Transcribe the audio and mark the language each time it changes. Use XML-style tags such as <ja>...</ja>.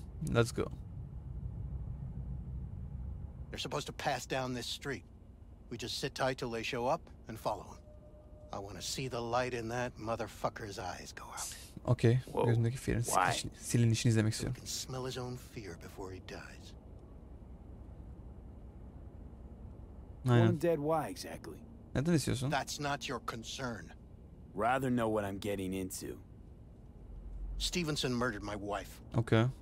<en>Let's go. They're supposed to pass down this street. We just sit tight till they show up and follow them. I want to see the light in that motherfucker's eyes go out. Okay. Whoa.</en> <tr>Gözündeki fearin silinişini izlemek istiyorum.</tr> <en>He can smell his own fear before he dies.</en> <tr>Aynen.</tr> <en>One dead, why exactly?</en> <tr>Neden istiyorsun?</tr> <en>That's not your concern. Rather know what I'm getting into. Stevenson murdered my wife. Okay.</en>